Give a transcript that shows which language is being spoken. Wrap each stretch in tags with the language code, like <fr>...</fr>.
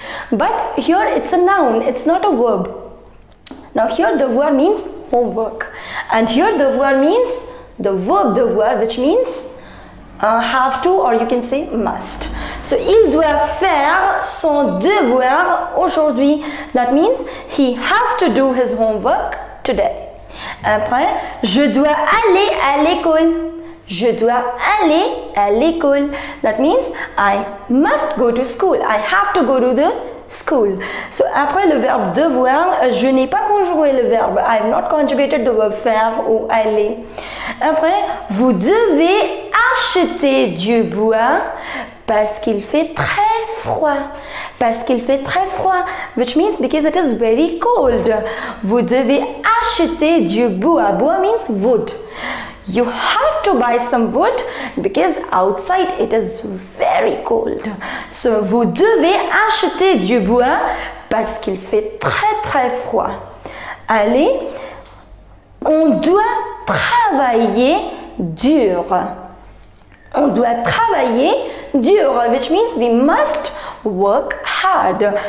<en>But here it's a noun, it's not a verb. Now, here devoir means homework. And here devoir means the verb devoir, which means have to, or you can say must.</en> <fr>So, il doit faire son devoir aujourd'hui.</fr> <en>That means he has to do his homework today.</en> <fr>Après, je dois aller à l'école. Je dois aller elikul.</fr> <en>That means I must go to school. I have to go to the school.</en> <fr>So après le verbe devoir, je n'ai pas conjugué le verbe.</fr> <en>I have not conjugated the verb</en> <fr>faire ou aller. Après, vous devez acheter du bois parce qu'il fait très froid. Parce qu'il fait très froid,</fr> <en>which means because it is very cold.</en> <fr>Vous devez acheter du bois. Bois</fr> <en>means wood. You have to buy some wood because outside it is very cold.</en> <fr>So, vous devez acheter du bois parce qu'il fait très très froid. Allez, on doit travailler dur. On doit travailler dur,</fr> <en>which means we must work hard.</en>